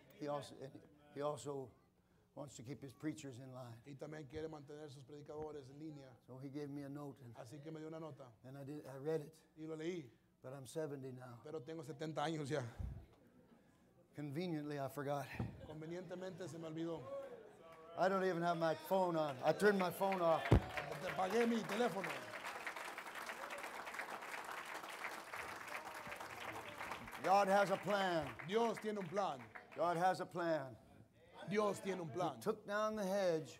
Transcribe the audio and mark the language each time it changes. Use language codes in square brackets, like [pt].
[en] He also wants to keep his preachers in line. [es] Y también quiere mantener sus predicadores en línea. [en] So he gave me a note. And, [es] así que me dio una nota. [en] And I read it. [es] Y lo leí. [en] But I'm 70 now. [es] Pero tengo 70 años ya. [en] Conveniently, I forgot. [es] Convenientemente se me olvidó. [en] I don't even have my phone on. I turned my phone off. [es] Apagué mi teléfono. [en] God has a plan. [es] Dios tiene un plan. [en] God has a plan. [es] Dios tiene un plan. [en] He took down the hedge.